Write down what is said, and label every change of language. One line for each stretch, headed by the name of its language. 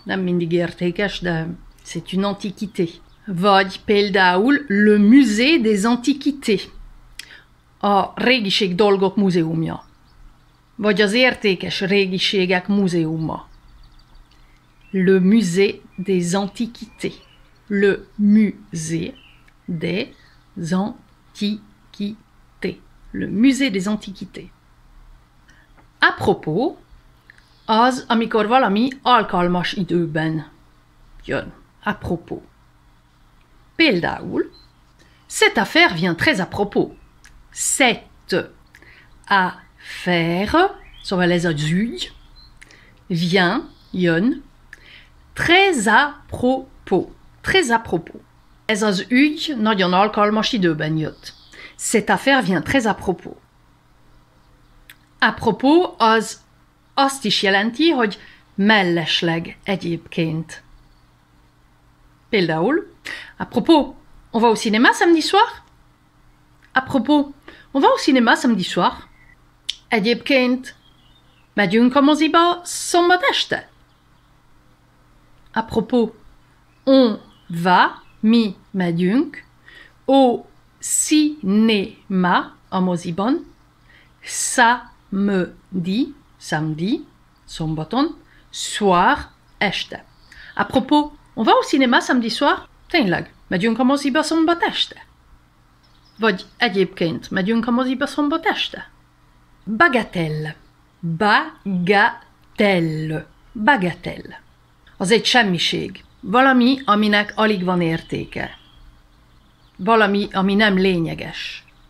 Hungarian: Nem mindig értékes, de
French: c'est une antiquité.
Hungarian: Vagy például
French: le musée des antiquités.
Hungarian: A régiség dolgok múzeumja. Vagy az értékes régiségek múzeuma.
French: Le musée des antiquités. Le musée des antiquités. Le musée des antiquités.
Hungarian: À propos, az, amikor valami alkalmas időben jön.
French: À propos.
Hungarian: Például,
French: cette affaire vient très à propos. Cette affaire,
Hungarian: szóval ez az ügy,
French: vient,
Hungarian: jön,
French: très à propos. Très à propos.
Hungarian: Ez az ügy nagyon alkalmas időben jött.
French: Cette affaire vient très à propos. À propos, az azt is jelenti, hogy mellesleg egyébként.
Hungarian: Például,
French: à propos, on va au cinéma samedi soir? À propos, on va au cinéma samedi soir?
Hungarian: Egyébként, megyünk a moziba szombat este?
French: À propos, on va,
Hungarian: mi megyünk,
French: au cinéma,
Hungarian: a moziban,
French: samedi, samedi,
Hungarian: szombaton,
French: soir,
Hungarian: este.
French: À propos, on va au cinéma samedi soir?
Hungarian: Tényleg, megyünk a moziba szombat este? Vagy egyébként, megyünk a moziba szombat este?
French: Bagatelle. Bagatelle. Bagatelle.
Hungarian: Az egy semmiség. Valami, aminek alig van értéke. Valami, ami nem lényeges.